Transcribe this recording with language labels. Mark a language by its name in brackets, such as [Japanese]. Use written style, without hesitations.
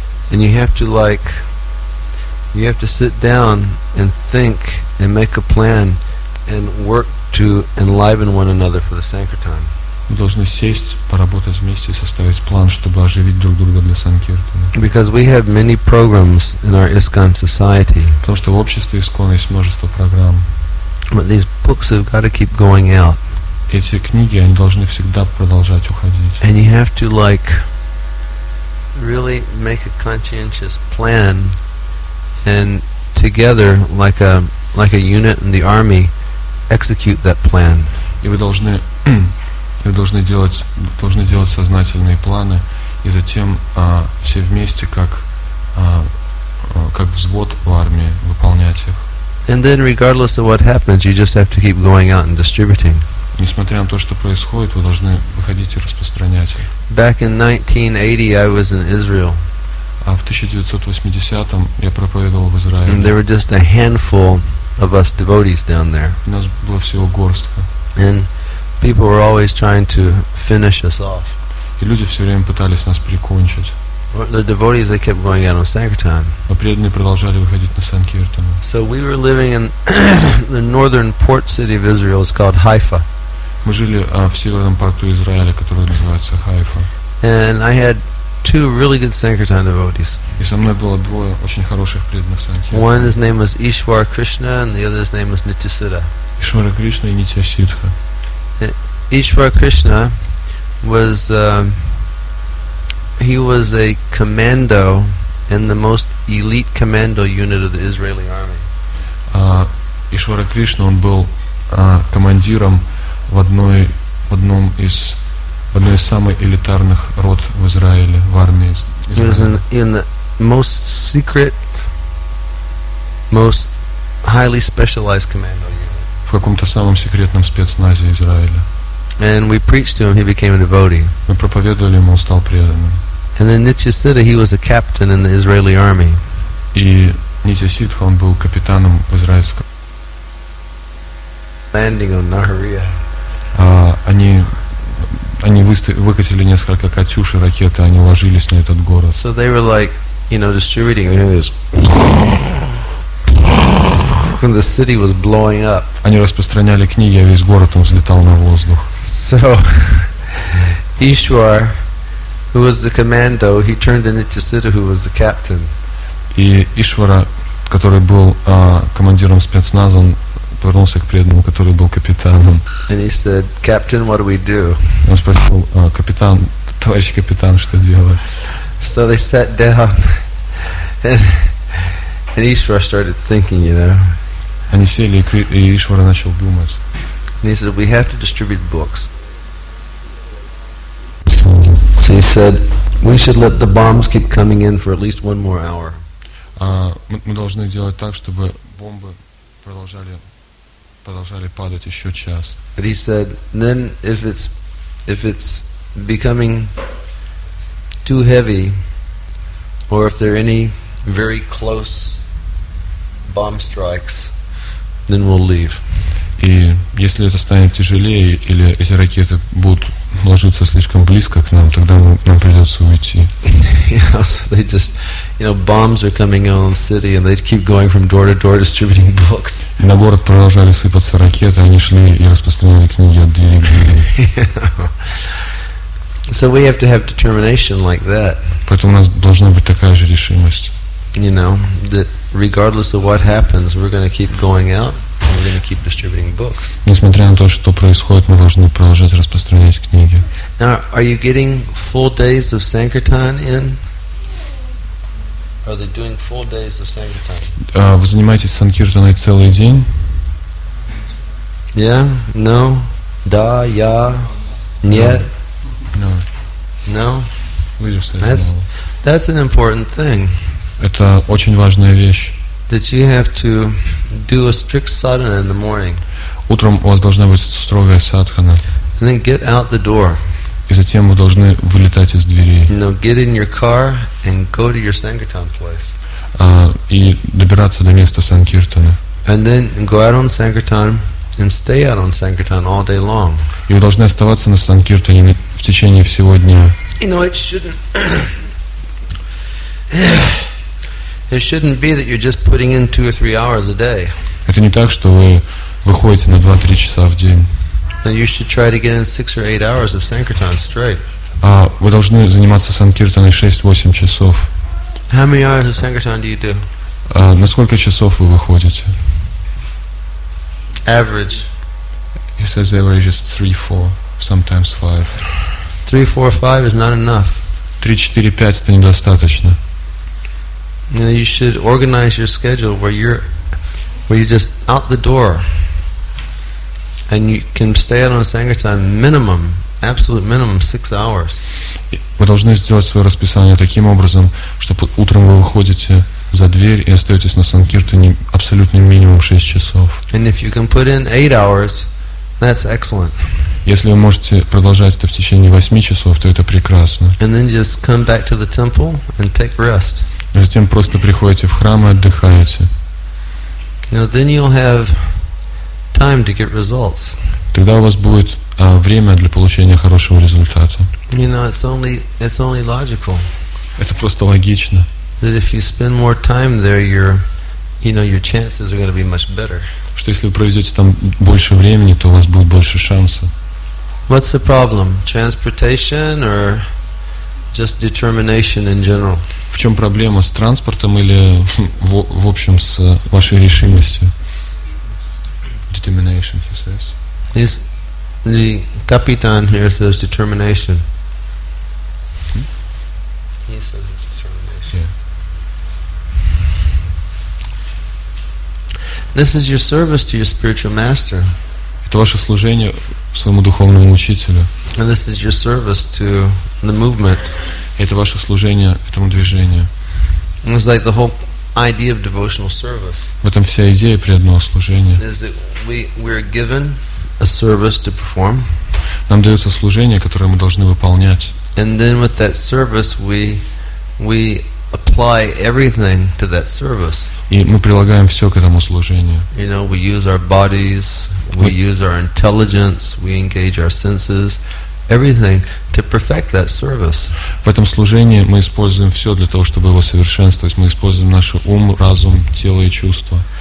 [English] And you have to sit down and think and make a plan and work to enliven one another for the sankirtan. [Russian] Мы должны сесть, поработать вместе и составить план, чтобы оживить друг друга для санкиртаны. [English] Because we have many programs in our ISKCON society. [Russian] Потому что в обществе ISKCON есть множество программ. [English] But these books have got to keep going out. [Russian] Эти книги, они должны всегда продолжать уходить. [English] And you have to like really make a conscientious plan, and together, like a unit in the army, execute that plan. [Russian] И вы должны делать сознательные планы, и затем все вместе, как взвод в армии, выполнять их. [English] And then, regardless of what happens, you just have to keep going out and distributing. [Russian] Несмотря на то, что происходит, вы должны выходить и распространять их. [English] Back in 1980, I was in Israel. [Russian] А в 1980-м я проповедовал в Израиле. [English] And there were just a handful of us devotees down there. [Russian] У нас было всего горстка. [English] And people were always trying to finish us off. [Russian] И люди все время пытались нас прикончить. [English] The devotees, they kept going out on sankirtan. [Russian] Но преданные продолжали выходить на санкиртану. [English] So we were living in the northern port city of Israel. It's called Haifa. [Russian] Мы жили в северном порту Израиля, который называется Хайфа. [English] And I had two really good sankirtan devotees. [Russian] И со мной было двое очень хороших преданных санкиртан. [English] One, his name was Ishwar Krishna, and the other, his name was Nityasiddha. [Russian] Ishwara Krishna и Nityasiddha. [English] Ishwar Krishna was he was a commando in the most elite commando unit of the Israeli army. [Russian] Ishwara Krishna, он был командиром в одной из самых элитарных рот в Израиле, в армии. [English] He was in the most secret, most highly specialized commando unit. [Russian] В каком-то самом секретном спецназе Израиля. [English] And we preached to him, he became a devotee. [Russian] Мы проповедовали ему, он стал преданным. [English] And then Nityasiddha, he was a captain in the Israeli army. [Russian] И Nityasiddha, он был капитаном в израильском. [English] Landing on Nahariya. [Russian] Они выкатили несколько катюш и ракеты, они ложились на этот город. [English] So they were like, you know, distributing. When the city was blowing up. [Russian] Они распространяли книги, а весь город он взлетал на воздух. [English] So, Ishwar, who was the commando, he turned into Nityasiddha, who was the captain. [Russian] И Ишвара, который был командиром спецназа, он повернулся к преданному, который был капитаном. [English] And he said, "Captain, what do we do?" [Russian] Он спросил, капитан, товарищ капитан, что делать? [English] So they sat down, and Ishwar started thinking, you know. [Russian] Они сели, и Ишвара начал думать. [English] And he said, "We have to distribute books." So he said, "We should let the bombs keep coming in for at least one more hour." [Russian] Мы должны делать так, чтобы бомбы продолжали падать еще час. [English] But he said, "Then if it's becoming too heavy, or if there are any very close bomb strikes, then we'll leave." [Russian] И если это станет тяжелее, или эти ракеты будут ложиться слишком близко к нам, тогда нам придется уйти. [English] Yes, they just, you know, bombs are coming in on the city, and they keep going from door to door distributing books. [Russian] На город продолжали сыпаться ракеты, они шли и распространяли книги от двери к двери. [English] So we have to have determination like that. [Russian] Поэтому у нас должна быть такая же решимость. [English] You know, that regardless of what happens, we're going to keep going out. We're going to keep distributing books. [Russian] Несмотря на то, что происходит, мы должны продолжать распространять книги. [English] Now, are you getting full days of sankirtan in? Are they doing full days of sankirtan? [Russian] Вы занимаетесь санкиртаной целый день? Yeah? No? Da? Ya? Нет? [English] No. No? We just said that's, no. That's an important thing. [Russian] Это очень важная вещь. [English] That you have to do a strict sadhana in the morning. [Russian] Утром у вас должна быть строгая садхана. [English] And then get out the door. [Russian] И затем вы должны вылетать из двери. [English] You know, get in your car and go to your sankirtan place. [Russian] И добираться до места санкиртана. [English] And then go out on sankirtan and stay out on sankirtan all day long. [Russian] И вы должны оставаться на санкиртане в течение всего дня. [English] You know, it shouldn't. It shouldn't be that you're just putting in two or three hours a day. [Russian] Это не так, что вы выходите на 2-3 часа в день. [English] You should try to get in 6 or 8 hours of sankirtan straight. [Russian] А вы должны заниматься санкиртаной 6-8 часов. [English] How many hours of sankirtan do you do? [Russian] На сколько часов вы выходите? [English] Average. He says average is 3-4, sometimes 5. 3-4-5 is not enough. [Russian] 3-4-5 это недостаточно. [English] You know, you should organize your schedule where you're just out the door, and you can stay out on sankirtan minimum, absolute minimum, 6 hours. [Russian] Вы должны сделать свое расписание таким образом, чтобы утром вы выходите за дверь и остаетесь на санкиртане абсолютным минимум 6 часов. [English] And if you can put in 8 hours, that's excellent. [Russian] Если вы можете продолжать это в течение 8 часов, то это прекрасно. [English] And then just come back to the temple and take rest. [Russian] И затем просто приходите в храм и отдыхаете. [English] Now, then you'll have time to get results. [Russian] Тогда у вас будет время для получения хорошего результата. [English] You know, it's only logical. [Russian] Это просто логично. [English] That if you spend more time there, your chances are going to be much better. [Russian] Что если вы проведете там больше времени, то у вас будет больше шансов. [English] What's the problem? Transportation or just determination in general? [Russian] В чем проблема, с транспортом или в общем с вашей решимостью? [English] Determination, he says. Is the capitan here says determination. He says it's determination. Yeah. This is your service to your spiritual master. [Russian] Это ваше служение своему духовному учителю. [English] And this is your service to the movement. [Russian] Это ваше служение этому движению. [English] It's like the whole idea of devotional service. [Russian] В этом вся идея преданного служения. [English] Is that we're given a service to perform. [Russian] Нам дается служение, которое мы должны выполнять. [English] And then with that service we apply everything to that service. [Russian] И мы прилагаем все к этому служению. [English] You know, we use our bodies, we use our intelligence, we engage our senses. Everything to perfect that service. [Russian] В этом служении мы используем все для того, чтобы его совершенствовать. Мы используем наш ум, разум, тело и чувства.